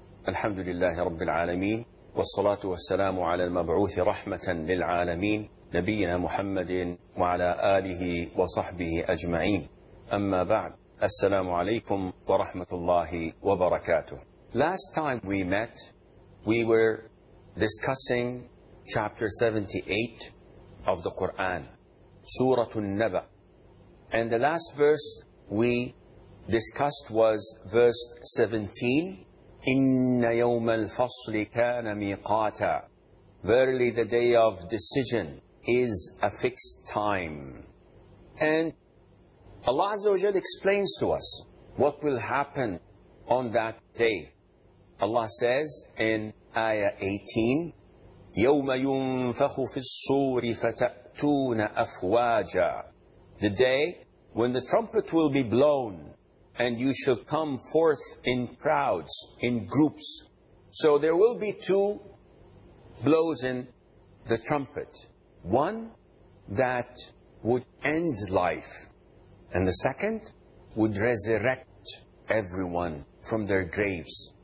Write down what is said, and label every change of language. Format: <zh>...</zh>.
<ar>الحمد لله رب العالمين، والصلاة والسلام على المبعوث رحمة للعالمين نبينا محمد وعلى آله وصحبه أجمعين. أما بعد، السلام عليكم ورحمة الله وبركاته.</ar> <en>Last time we met, we were discussing chapter 78 of the Quran, سورة النبأ. And the last verse we discussed was verse 17.</en> <ar>Inna yawma al-fasli kana miqata.</ar> <en>Verily the day of decision is a fixed time. And Allah Azza wa Jalla explains to us what will happen on that day. Allah says in ayah 18,</en> <ar>يَوْمَ يُنْفَخُ فِي الصُّورِ فَتَأْتُونَ أَفْوَاجًا.</ar> <en>The day when the trumpet will be blown, and you shall come forth in crowds, in groups. So there will be two blows in the trumpet. One that would end life, and the second would resurrect everyone from their graves.</en>